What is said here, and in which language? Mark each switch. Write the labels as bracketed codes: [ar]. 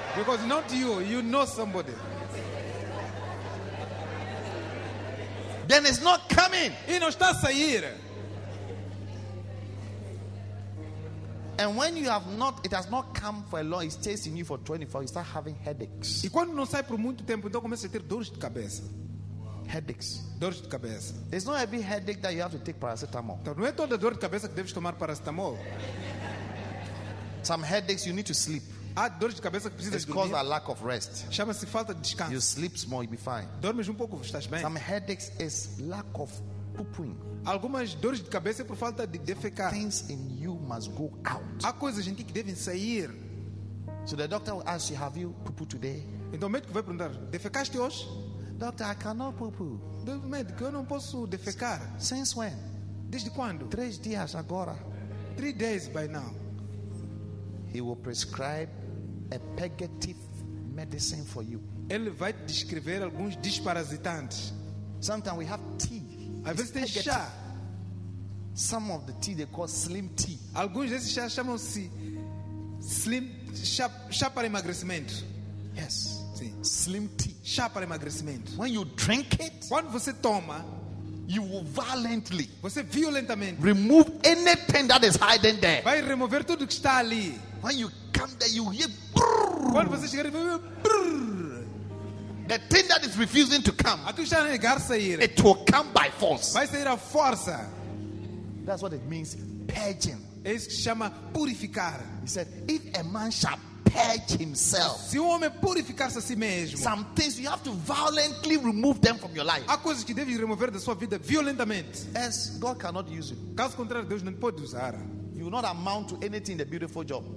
[en] Because not you, you know somebody. Then it's not coming. [pt] E não está sair. [en] And when you have not, it has not come for a long, it stays in you for 24, you start having headaches. [pt] E quando não sai por muito tempo, então começa a ter dores de cabeça. [en] Headaches. [pt] Dores de cabeça. [en] It's not every headache that you have to take paracetamol. [pt] Então não é toda dor de cabeça que deves tomar paracetamol. [en] Some headaches you need to sleep. [pt] Há dores de cabeça que precisas dormir. [en] It's called a lack of rest. [pt] Chama-se falta de descanso. [en] You sleep small, you'll be fine. [pt] Dormes pouco, estás bem. [en] Some headaches is lack of pooping. [pt] Algumas dores de cabeça por falta de defecar. [en] Things in you must go out. [pt] Há coisas em ti que devem sair. [en] So the doctor will ask you, have you poo-poo today? [pt] Então o médico vai perguntar, defecaste hoje? [en] Doctor, I cannot poo-poo. [pt] Médico, eu não posso defecar. [en] Since when? [pt] Desde quando? 3 dias agora. [en] 3 days by now. He will prescribe a purgative medicine for you. [pt] Ele vai descrever alguns desparasitantes. [en] Sometimes we have tea. [pt] Às vezes tem chá. [en] Some of the tea they call slim tea. [pt] Alguns desses chás chamam-se slim chá, chá para emagrecimento. [en] Yes. [pt] Sim. [en] Slim tea. [pt] Chá para emagrecimento. [en] When you drink it, [pt] quando você toma, [en] you will violently, [pt] você violentamente, [en] remove anything that is hiding there. [pt] Vai remover tudo que está ali. [en] When you come there, you hear brrr. [pt] Quando você chega, [en] you hear brrr. The thing that is refusing to come, [pt] a tua chá não quer sair. [en] It will come by force. [pt] Vai sair à força. [en] That's what it means, purging. [pt] É isso que se chama purificar. [en] He said, if a man shall purge himself, [pt] se um homem purificar-se a si mesmo, [en] some things you have to violently remove them from your life. [pt] Há coisas que deve remover da sua vida violentamente. [en] Yes, God cannot use you. [pt] Caso contrário, Deus não pode usar. [en] You will not amount to anything in a beautiful job.